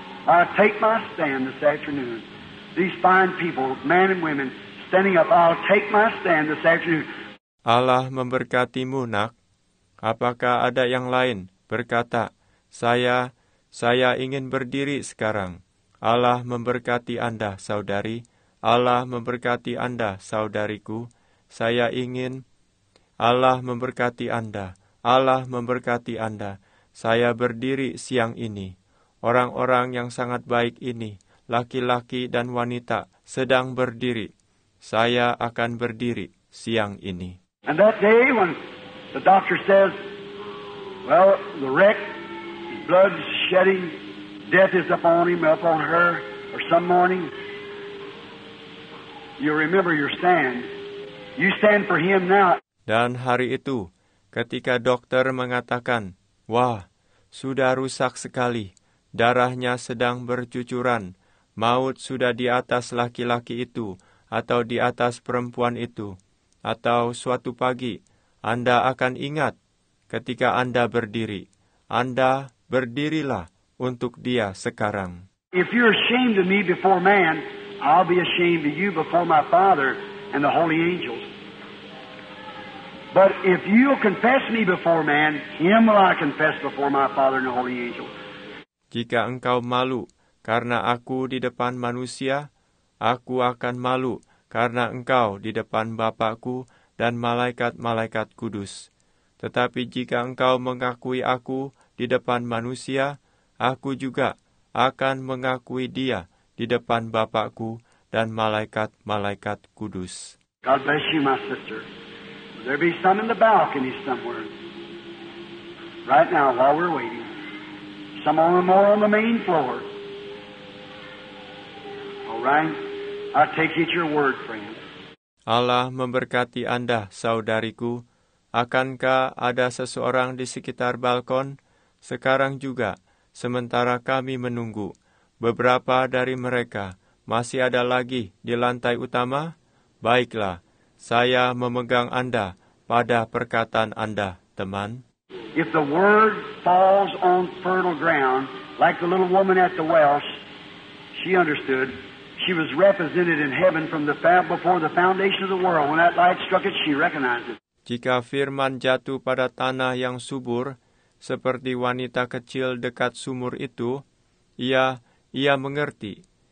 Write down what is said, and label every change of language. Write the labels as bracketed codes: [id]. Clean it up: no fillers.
[en] I take my stand this afternoon. These fine people, men and women, standing up, I'll take my stand this afternoon. [id] Allah memberkatimu, nak. Apakah ada yang lain? Berkata, saya ingin berdiri sekarang. Allah memberkati Anda, saudari. Allah memberkati Anda, saudariku. Saya ingin Allah memberkati Anda. Allah memberkati Anda. Saya berdiri siang ini. Orang-orang yang sangat baik ini, laki-laki dan wanita, sedang berdiri. Saya akan berdiri siang ini. [en] And that day when the doctor says, well, the wreck, blood shedding, death is upon him, upon her, or some morning, you remember your stand. You stand for him now. [id] Dan hari itu, ketika dokter mengatakan, wah, sudah rusak sekali, darahnya sedang bercucuran, maut sudah di atas laki-laki itu, atau di atas perempuan itu, atau suatu pagi, Anda akan ingat ketika Anda berdiri. Anda berdirilah untuk dia sekarang. [en] If you're ashamed of me before man, I'll be ashamed of you before my Father and the holy angels. But if you'll confess me before man, him will I confess before my Father and the holy angels. [id] Jika engkau malu karena aku di depan manusia, aku akan malu karena engkau di depan Bapa-Ku dan malaikat-malaikat kudus. Tetapi jika engkau mengakui aku di depan manusia, aku juga akan mengakui dia di depan Bapa-Ku dan malaikat-malaikat kudus. [en] God bless you, my sister. Will there be some in the balcony somewhere? Right now, while we're waiting. Some of them are on the main floor. All right. I take it your word, friend. [id] Allah memberkati Anda, saudariku. Akankah ada seseorang di sekitar balkon? Sekarang juga, sementara kami menunggu, beberapa dari mereka masih ada lagi di lantai utama? Baiklah, saya memegang Anda pada perkataan Anda, teman. [en] If the word falls on fertile ground, like the little woman at the well, she understood. She was represented in heaven from the before the foundation of the world. When that light struck it, she recognized it. [id] Jika firman jatuh pada tanah yang subur, seperti wanita kecil dekat sumur itu, ia mengerti.